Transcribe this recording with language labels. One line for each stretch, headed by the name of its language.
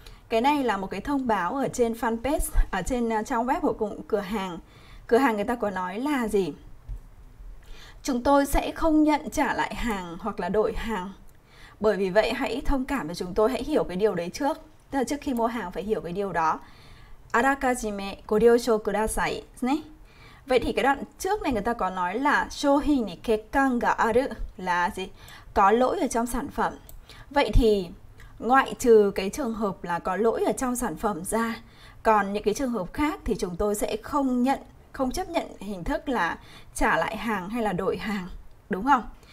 Vietnamese: Cái này là một cái thông báo ở trên fanpage, ở trên trang web của cửa hàng. Cửa hàng người ta có nói là gì? Chúng tôi sẽ không nhận trả lại hàng hoặc là đổi hàng. Bởi vì vậy hãy thông cảm với chúng tôi, hãy hiểu cái điều đấy trước. Tức là trước khi mua hàng phải hiểu cái điều đó.
Japanese: Arakajime ご了承ください.
Vietnamese: Vậy thì cái đoạn trước này người ta có nói là
Japanese: shohin ni kekkan ga aru
Vietnamese: là gì? Có lỗi ở trong sản phẩm. Vậy thì ngoại trừ cái trường hợp là có lỗi ở trong sản phẩm ra, còn những cái trường hợp khác thì chúng tôi sẽ không nhận, không chấp nhận hình thức là trả lại hàng hay là đổi hàng, đúng không?